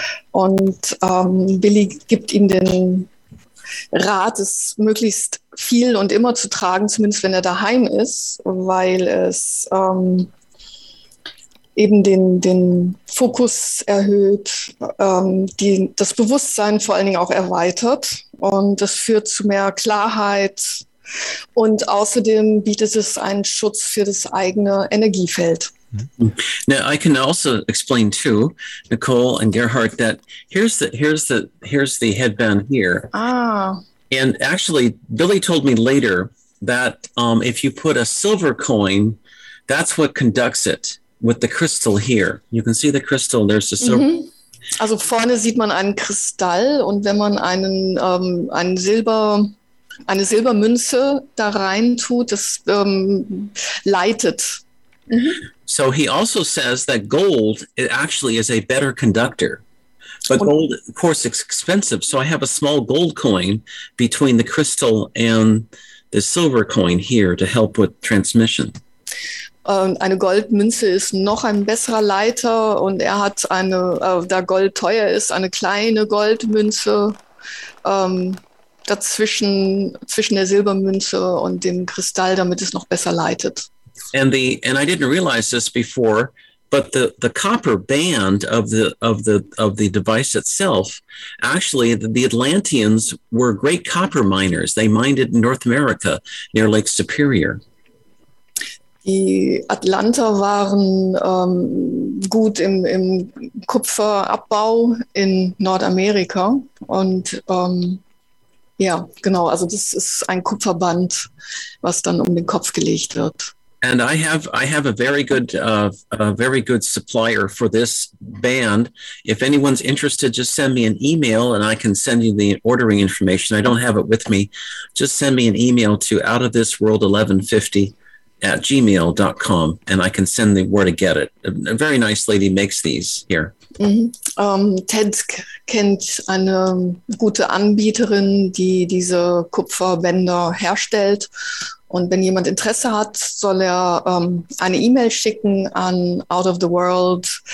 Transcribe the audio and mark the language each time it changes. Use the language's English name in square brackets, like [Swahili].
[German] Und Billy gibt ihm den Rat, es möglichst viel und immer zu tragen, zumindest wenn er daheim ist, weil es eben den Fokus erhöht, das Bewusstsein vor allen Dingen auch erweitert. Und das führt zu mehr Klarheit und außerdem bietet es einen Schutz für das eigene Energiefeld. [English] Now I can also explain too, Nicole and Gerhard, that here's the headband here. Ah. And actually, Billy told me later that if you put a silver coin, that's what conducts it with the crystal here. You can see the crystal. There's the silver. Mm-hmm. [German] Also vorne sieht man einen Kristall und wenn man eine Silbermünze da rein tut, das leitet. Mhm. [English] So he also says that gold it actually is a better conductor. But und gold, of course, is expensive. So I have a small gold coin between the crystal and the silver coin here to help with transmission. [German] eine Goldmünze ist noch ein besserer Leiter und er hat eine, da Gold teuer ist, eine kleine Goldmünze dazwischen, zwischen der Silbermünze und dem Kristall, damit es noch besser leitet. [English] And the and I didn't realize this before, but the copper band of the of the of the device itself, actually the Atlanteans were great copper miners. They mined it in North America near Lake Superior. [German] Die Atlanter waren gut im Kupferabbau in Nordamerika und ja, genau, also das ist ein Kupferband, was dann um den Kopf gelegt wird. [English] And I have a very good supplier for this band. If anyone's interested, just send me an email and I can send you the ordering information. I don't have it with me. Just send me an email to outofthisworld1150@gmail.com and I can send the where to get it. A very nice lady makes these here. Mm-hmm. [German] Ted kennt eine gute Anbieterin, die diese Kupferbänder herstellt. Und wenn jemand Interesse hat, soll er eine E-Mail schicken an Out of the World.